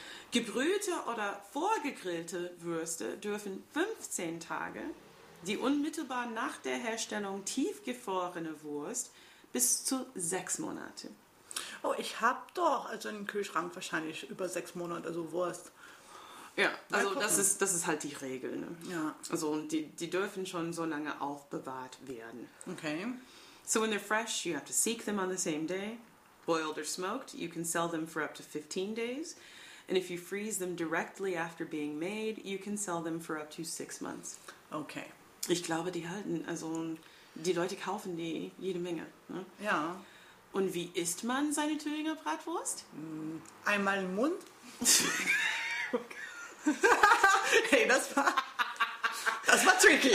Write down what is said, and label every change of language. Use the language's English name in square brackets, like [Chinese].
[German] Gebrühte oder vorgegrillte Würste dürfen 15 Tage, die unmittelbar nach der Herstellung tiefgefrorene Wurst, bis zu 6 Monate. Oh, ich habe doch also einen Kühlschrank wahrscheinlich über 6 Monate, also Wurst. Ja, also das ist halt die Regel. Ne? Ja. Also die dürfen schon so lange aufbewahrt werden. Okay. [English] So when they're fresh, you have to seek them on the same day. Boiled or smoked, you can sell them for up to 15 days. And if you freeze them directly after being made, you can sell them for up to 6 months. Okay. [German] Ich glaube, die halten, also die Leute kaufen die jede Menge. Ne? Ja. Und wie isst man seine Thüringer Bratwurst? Einmal im Mund. Hey, das war tricky.